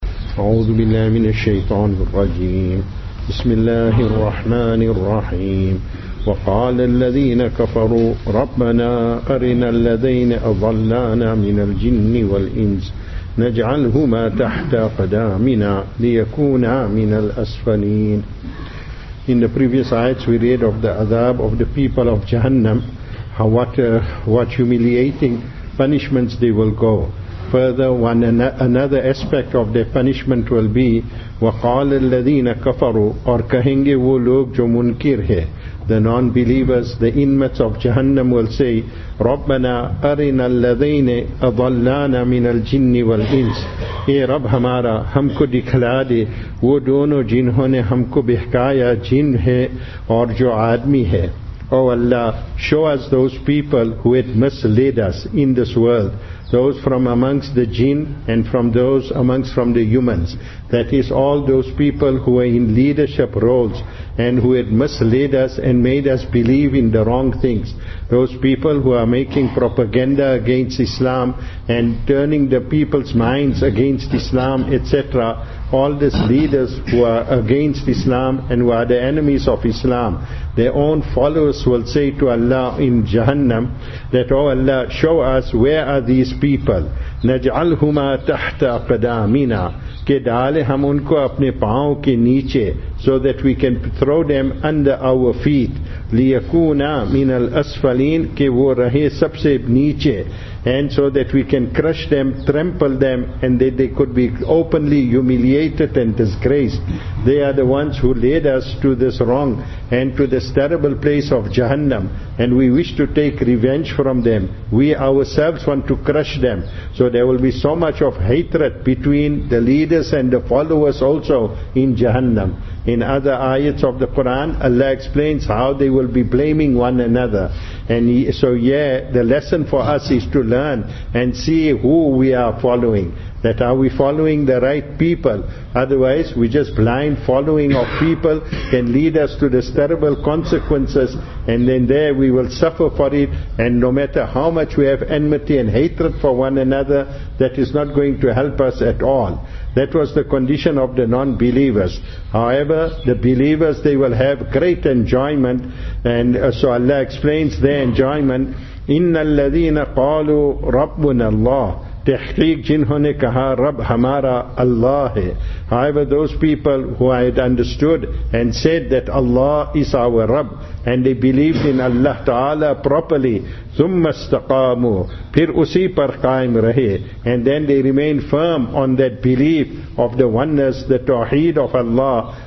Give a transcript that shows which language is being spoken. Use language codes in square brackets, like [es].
[ar] أعوذ بالله من الشيطان الرجيم. بسم الله الرحمن الرحيم. وقال الذين كفروا ربنا أرنا الذين أضلانا من الجن والإنس نجعلهما تحت قدامنا ليكونا من الأسفلين. [en] In the previous ayats we read of the adab of the people of Jahannam, how what humiliating punishments they will go. Further, another aspect of their punishment will be [ar] وَقَالَ الَّذِينَ كَفَرُوا [en] or [ur] كَهِنْغِ وُلُوكْ جُو مُنْكِرْ هَي. [en] The non-believers, the inmates of Jahannam will say [ar] رَبَّنَا أَرِنَا الَّذِينَ أَضَلَّانَا مِنَ الْجِنِّ وَالْإِنسِ. [ur] اے رب ہمارا ہم کو دکھلا دے وہ دونوں جنہوں نے ہم کو بہکایا جن ہے اور جو آدمی ہے. [en] Oh Allah, show us those people who had misled us in this world, those from amongst the jinn and from those amongst from the humans. That is all those people who were in leadership roles and who had misled us and made us believe in the wrong things. Those people who are making propaganda against Islam and turning the people's minds against Islam, etc. All these leaders who are against Islam and who are the enemies of Islam, their own followers will say to Allah in Jahannam that, oh Allah, show us where are these people. [ar] نَجْعَلْهُمَا تَحْتَ قَدَامِنَا [ur] کہ ڈالے ہم ان کو اپنے پاؤں کے نیچے. [en] So that we can throw them under our feet. [ar] لِيَكُونَا مِنَ الْأَسْفَلِينَ [ur] کہ وہ رہے سب سے نیچے. [en] And so that we can crush them, trample them, and that they could be openly humiliated and disgraced. They are the ones who led us to this wrong and to this terrible place of Jahannam. And we wish to take revenge from them. We ourselves want to crush them. So there will be so much of hatred between the leaders and the followers also in Jahannam. In other ayats of the Quran, Allah explains how they will be blaming one another. And so yeah, the lesson for us is to learn and see who we are following. That are we following the right people? Otherwise, we just blind following of people can lead us to these terrible consequences, and then there we will suffer for it. And no matter how much we have enmity and hatred for one another, that is not going to help us at all. That was the condition of the non-believers. However, the believers, they will have great enjoyment. And so Allah explains their enjoyment. [ar] إِنَّ الَّذِينَ قَالُوا رَبُّنَ اللَّهِ [ur] تحقیق جنہوں نے کہا رب ہمارا اللہ ہے. [en] However, those people who had understood and said that Allah is our Rabb and they believed in Allah Ta'ala properly, [ar] ثُمَّ اسْتَقَامُوا [ur] پھر اسی پر قائم رہے, [en] and then they remained firm on that belief of the oneness, the tawheed of Allah.